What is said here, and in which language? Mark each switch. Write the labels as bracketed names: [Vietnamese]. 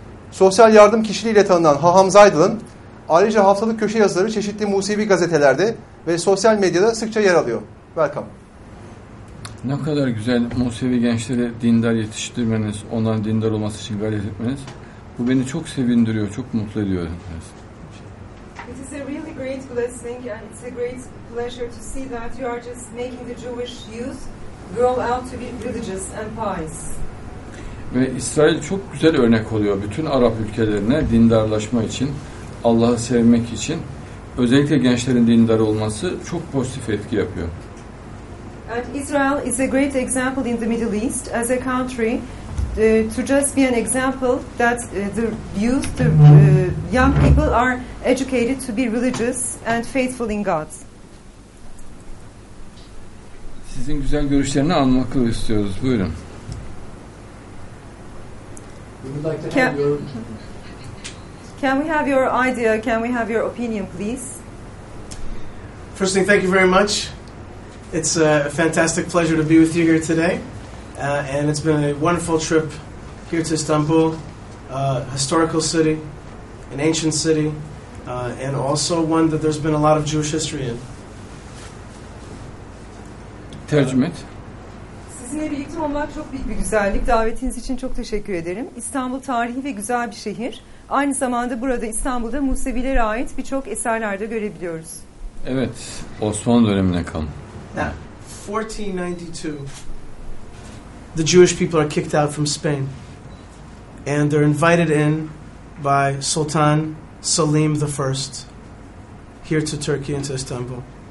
[Turkish] Sosyal yardım kişiliğiyle tanınan Haham Zeidel'ın ayrıca haftalık köşe yazıları çeşitli Musevi gazetelerde ve sosyal medyada sıkça yer alıyor. [English] Welcome. [Turkish] Ne kadar güzel Musevi gençleri dindar yetiştirmeniz, onların dindar olması için gayret etmeniz. Bu beni çok sevindiriyor, çok mutlu ediyor. [English] It is a really great blessing and it's a great pleasure to see that you are just making the Jewish youth grow out to be religious and pious. [Turkish] Ve İsrail çok güzel örnek oluyor bütün Arap ülkelerine dindarlaşma için, Allah'ı sevmek için. Özellikle gençlerin dindar olması çok pozitif etki yapıyor. [English] And Israel is a great example in the Middle East as a country to just be an example that the youth, the young people are educated to be religious and faithful in God. [Turkish] Sizin güzel görüşlerini almak istiyoruz. Buyurun. [English] Can we have your idea? Can we have your opinion, please? First thing, thank you very much. It's a fantastic pleasure to be with you here today. And it's been a wonderful trip here to Istanbul, a historical city, an ancient city, and also one that there's been a lot of Jewish history in. [Turkish] Tercüme et. Sizinle birlikte olmak çok büyük bir güzellik. Davetiniz için çok teşekkür ederim. İstanbul tarihi ve güzel bir şehir. Aynı zamanda burada İstanbul'da Musevilere ait birçok eserler de görebiliyoruz. Evet, Osmanlı dönemine kalın. [English] Now, 1492, the Jewish people are kicked out from Spain. And they're invited in by Sultan Selim the First here to Turkey and to Istanbul.